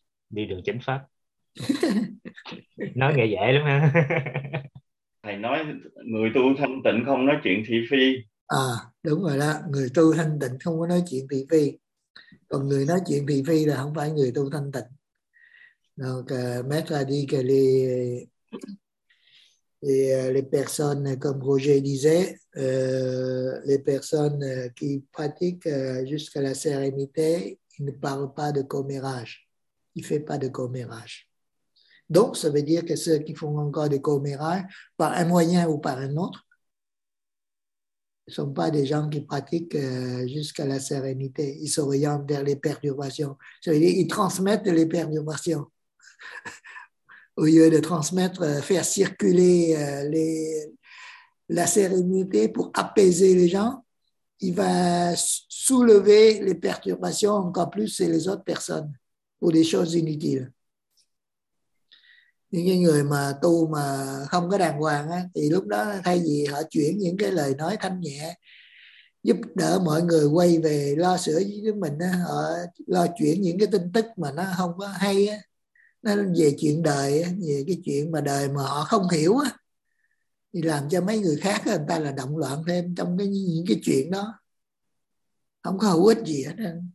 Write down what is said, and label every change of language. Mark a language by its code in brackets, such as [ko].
[vi] Đi đường chánh pháp. Nói nghe dễ lắm ha. Thầy nói người tu thanh tịnh không nói chuyện thị phi. À đúng rồi đó, người tu thanh tịnh không có nói chuyện thị phi. Còn người nói chuyện thị phi là không phải người tu thanh tịnh. [fr] Donc, mettre à dire les personnes, comme Roger disait, les personnes qui pratiquent jusqu'à la sérénité, ils ne parlent pas de commérage. Ils ne font pas de commérage. Donc, ça veut dire que ceux qui font encore des commérages, par un moyen ou par un autre, ne sont pas des gens qui pratiquent jusqu'à la sérénité. Ils s'orientent vers les perturbations. Ça veut dire qu'ils transmettent les perturbations. Au lieu de transmettre, faire circuler la sérénité pour apaiser les gens, il va soulever les perturbations encore plus chez les autres personnes pour des choses inutiles. [vi] Những người mà tu mà không có đàng hoàng á, thì lúc đó thay vì họ chuyển những cái lời nói thanh nhẹ giúp đỡ mọi người quay về lo sửa với chúng mình á, họ lo chuyển những cái tin tức mà nó không có hay á, nó về chuyện đời á, về cái chuyện mà đời mà họ không hiểu á, thì làm cho mấy người khác người ta là động loạn thêm trong những cái chuyện đó, không có hữu ích gì hết á.